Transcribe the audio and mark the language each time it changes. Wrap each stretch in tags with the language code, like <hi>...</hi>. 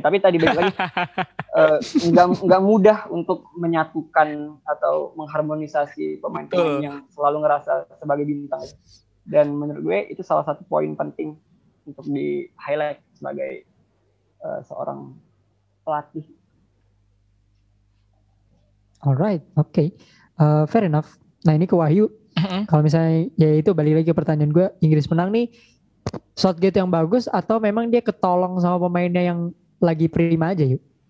<id>Ya, tapi tadi balik lagi, nggak mudah untuk menyatukan atau mengharmonisasi pemain-pemain yang selalu ngerasa sebagai bintang. Dan menurut gue itu salah satu poin penting untuk di highlight sebagai seorang pelatih.</id> <en>Alright, okay, fair enough.</en> <id>Nah ini ke Wahyu. Kalau misalnya ya itu balik lagi ke pertanyaan gue, Inggris menang nih, Southgate yang bagus atau memang dia ketolong sama pemainnya yang lagi prima aja yuk?</id>